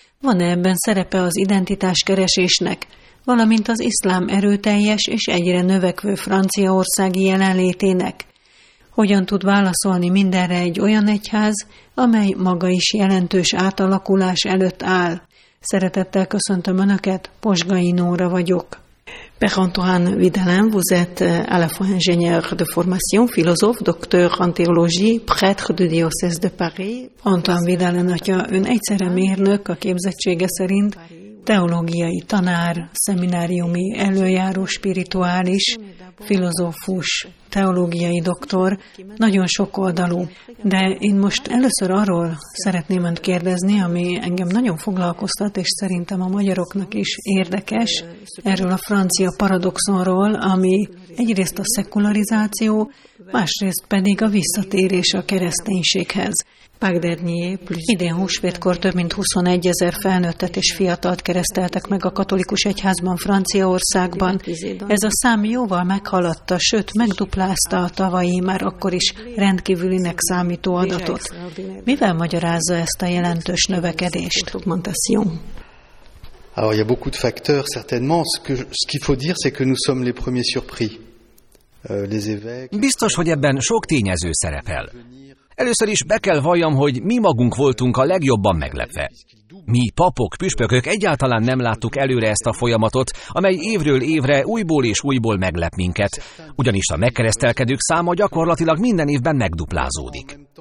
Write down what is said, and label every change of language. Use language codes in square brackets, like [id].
[hu] Van-e ebben szerepe az identitáskeresésnek, valamint az iszlám erőteljes és egyre növekvő franciaországi jelenlétének? Hogyan tud válaszolni mindenre egy olyan egyház, amely maga is jelentős átalakulás előtt áll? Szeretettel köszöntöm Önöket, Posgai Nóra vagyok. [fr] Père Antoine Videlem, vous êtes à la fois ingénieur de formation, philosophe, docteur en théologie, prêtre du diocèse de Paris. [hu] Antoine Videlem atya, ön egyszerre mérnök, a képzettsége szerint teológiai tanár, szemináriumi előjáró spirituális, filozófus, teológiai doktor, nagyon sok oldalú. De én most először arról szeretném Önt kérdezni, ami engem nagyon foglalkoztat, és szerintem a magyaroknak is érdekes, erről a francia paradoxonról, ami egyrészt a szekularizáció, másrészt pedig a visszatérés a kereszténységhez. Pák Dernier, idén húsvétkor több mint 21 ezer felnőttet és fiatalt kereszteltek meg a katolikus egyházban Franciaországban. Ez a szám jóval meghaladta, sőt megduplázta a tavalyi már akkor is rendkívülinek számító adatot. Mivel magyarázza ezt a jelentős növekedést? [fr] Alors, il y a beaucoup de facteurs, certainement. Ce qu'il faut dire, c'est que nous sommes les premiers surpris. [hu] Biztos, hogy ebben sok tényező szerepel. Először is be kell valljam, hogy mi magunk voltunk a legjobban meglepve. Mi papok, püspökök egyáltalán nem láttuk előre ezt a folyamatot, amely évről évre újból és újból meglep minket, ugyanis a megkeresztelkedők száma gyakorlatilag minden évben megduplázódik.